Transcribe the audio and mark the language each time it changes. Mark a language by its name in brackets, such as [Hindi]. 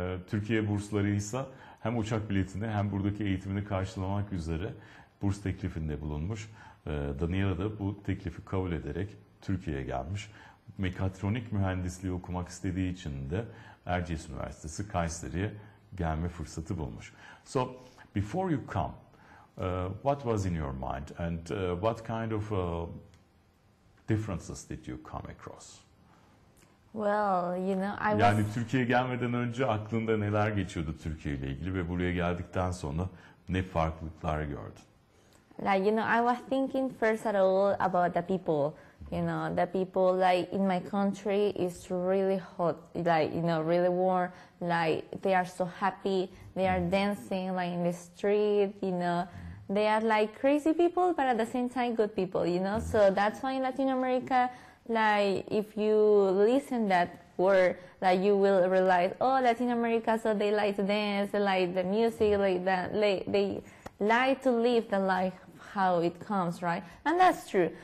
[Turkish] Türkiye burslarıysa hem uçak biletini hem buradaki eğitimini karşılamak üzere burs teklifinde bulunmuş. Daniela da bu teklifi kabul ederek Türkiye'ye gelmiş. Mekatronik mühendisliği okumak istediği için de Erciyes Üniversitesi Kayseri'ye gelme fırsatı bulmuş. [English] So, before you come, what was in your mind and what kind of differences did you come across? Well, you know, I was... [Turkish] Yani Türkiye'ye gelmeden önce aklında neler geçiyordu Türkiye ile ilgili ve buraya geldikten sonra ne farklılıklar gördün? [English] Like, you know, I was thinking first of all about the people, you know, the people like in my country is really hot, like, you know, really warm, like they are so happy, they are dancing like in the street, you know, they are like crazy people, but at the same time, good people, you know, so that's why in Latin America, like if you listen that word, like you will realize, oh, Latin America, so they like to dance, they like the music, like that, like they like to live the life how it comes, right? And that's true.